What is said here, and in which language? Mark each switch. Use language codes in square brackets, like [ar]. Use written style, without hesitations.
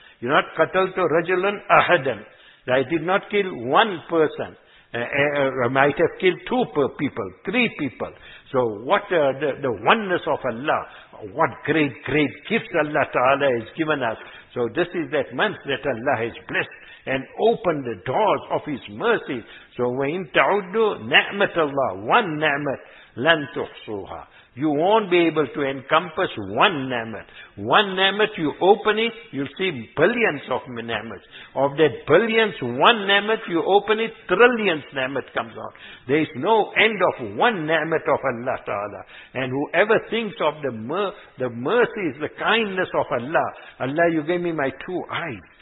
[en] You not [ar] qataltu rajulun ahadan. [en] I did not kill one person. Might have killed two people, three people. So what the oneness of Allah, what great, great gifts Allah Ta'ala has given us. So this is that month that Allah has blessed and opened the doors of His mercy. [ar] So وَإِن تَعُدُّ نَعْمَةَ اللَّهِ [en] one ni'mat [ar] لَن تُحْصُوهَا. [en] You won't be able to encompass one ni'mat. One ni'mat, you open it, you'll see billions of ni'mats. Of that billions, one ni'mat, you open it, trillions ni'mat comes out. There is no end of one ni'mat of Allah Ta'ala. And whoever thinks of the mercies, the kindness of Allah, Allah, you gave me my two eyes.